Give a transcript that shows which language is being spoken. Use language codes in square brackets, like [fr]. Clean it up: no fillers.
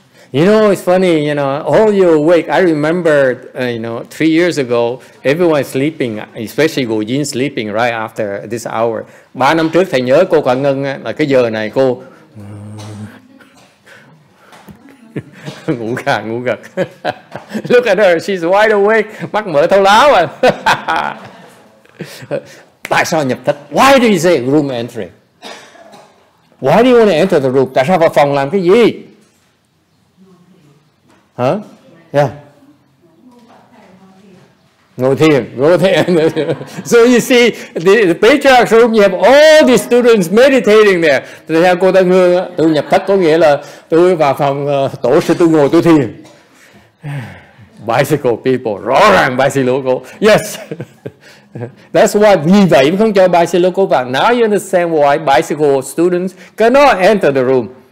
[en] You know, it's funny, you know, all you awake, I remember, you know, 3 years ago, everyone sleeping, especially Gu Jin sleeping right after this hour. [vi] 3 năm trước, thầy nhớ cô Quả Ngân là cái giờ này cô ngủ gật. [en] Look at her, she's wide awake, [vi] mắt mở thâu láo à. Tại sao nhập thất? [en] Why do you say room entry? Why do you want to enter the room? [vi] Tại sao vào phòng làm cái gì? [en] Hả? Yeah. [vi] Ngồi thiền. [en] So you see, the patriarch's room, you have all the students meditating there. [vi] Thì theo cô Tân Hương, tôi nhập thất có nghĩa là tôi vào phòng tổ sư, tôi ngồi, tôi thiền. Bicycle people, rõ ràng bicycle people. Yes. [en] That's why [vi] vì vậy mới không cho bicycle cô vào. [en] Now you understand why bicycle students cannot enter the room.